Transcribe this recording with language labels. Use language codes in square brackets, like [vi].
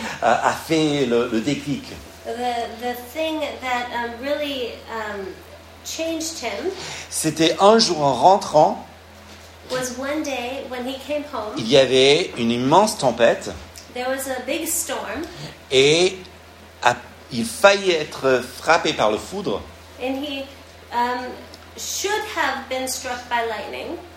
[fr] le moment qui a fait le déclic, [en] the thing that really changed him, [fr] c'était un jour en rentrant, [en] was one day when he came home, [fr] il y avait une immense tempête, [en] there was a big storm, [fr] et il faillit être frappé par le foudre. [en] And he should have been struck by lightning.